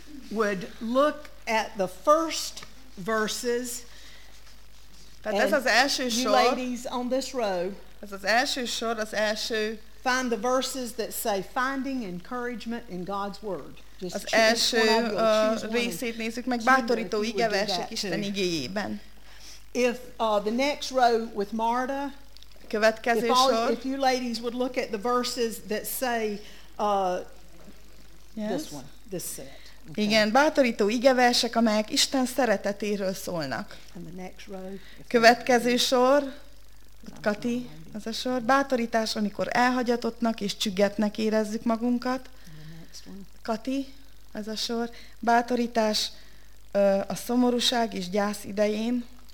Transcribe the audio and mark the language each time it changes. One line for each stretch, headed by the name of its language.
English: would look at the first verses.
Hungarian: Tehát ez az első sor.
English: You ladies on this row.
Hungarian: Ez az első sor, az első.
English: Find the verses that say finding encouragement in God's word.
Hungarian: Just az első részét nézzük meg, bátorító igeversek Isten igéjében.
English: If the next row with Marta.
Hungarian: Következő sor.
English: If you ladies would look at the verses that say yes. This one, this set. Okay.
Hungarian: Igen, bátorító igeversek, amelyek Isten szeretetéről szólnak. Következő sor, Kati, az a sor, bátorítás, amikor elhagyatottnak és csüggetnek érezzük magunkat. Kati, ez a sor, bátorítás a szomorúság és gyász idején.